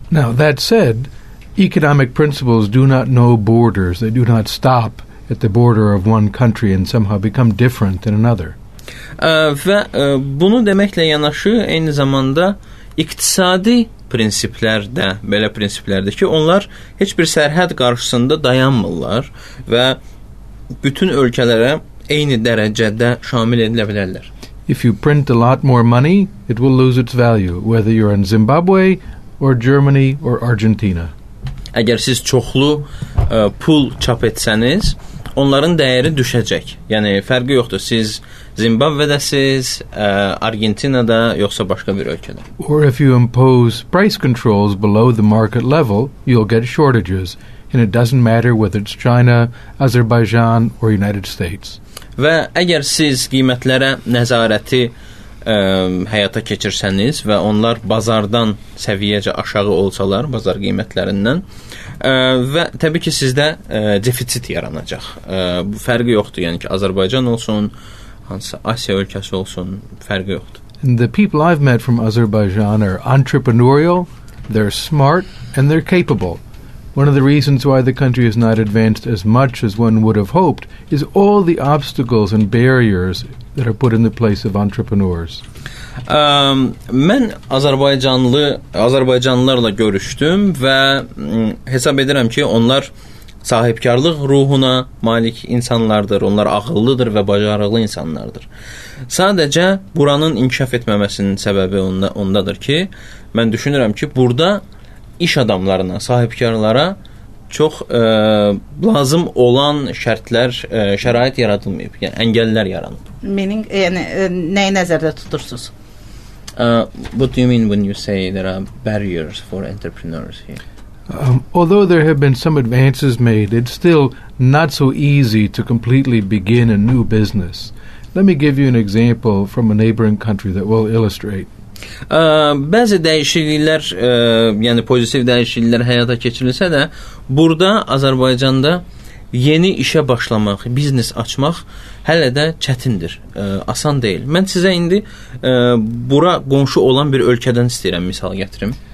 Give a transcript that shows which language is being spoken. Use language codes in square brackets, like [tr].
[en] Now, that said, economic principles do not know borders. They do not stop at the border of one country and somehow become different in another. [az] Və bunu deməklə yanaşı, eyni zamanda iqtisadi prinsiplər də belə prinsiplərdir ki, onlar heç bir sərhəd qarşısında dayanmırlar və bütün ölkələrə eyni dərəcədə şamil edilə bilərlər. [en] If you print a lot more money, it will lose its value, whether you're in Zimbabwe or Germany or Argentina. [az] Əgər siz çoxlu pul çap etsəniz, onların dəyəri düşəcək. Yəni, fərqi yoxdur. Siz Zimbabvedəsiz, Argentinada, yoxsa başqa bir ölkədə. [en] Or if you impose price controls below the market level, you'll get shortages. And it doesn't matter whether it's China, Azerbaijan or United States. [az] Və əgər siz qiymətlərə nəzarəti həyata keçirsəniz və onlar bazardan səviyyəcə aşağı olsalar, bazar qiymətlərindən və təbii ki, sizdə defisit yaranacaq. Bu fərqi yoxdur, yəni ki, Azərbaycan olsun, hansısa Asiya ölkəsi olsun, fərqi yoxdur. [en] And the people I've met from Azerbaijan are entrepreneurial, they're smart and they're capable. One of the reasons why the country has not advanced as much as one would have hoped is all the obstacles and barriers that are put in the place of entrepreneurs. [az] Mən Azərbaycanlılarla görüşdüm və hesab edirəm ki, onlar sahibkarlıq ruhuna malik insanlardır, onlar ağıllıdır və bacarıqlı insanlardır. Sadəcə buranın inkişaf etməməsinin səbəbi ondadır ki, mən düşünürəm ki, burada iş adamlarına, sahibkarlara çox lazım olan şərtlər, şərait yaradılmayıb, yəni əngəllər yaranıb. [en] Meaning, [az] yəni nəyi nəzərdə tutursunuz? [en] What do you mean when you say there are barriers for entrepreneurs here? Although there have been some advances made, it's still not so easy to completely begin a new business. Let me give you an example from a neighboring country that will illustrate. [az] Bəzi dəyişikliklər, yəni pozitiv dəyişikliklər həyata keçirilsə də, burada Azərbaycanda yeni işə başlamaq, biznes açmaq hələ də çətindir, asan deyil. Mən sizə indi bura qonşu olan bir ölkədən istəyirəm misal gətirim.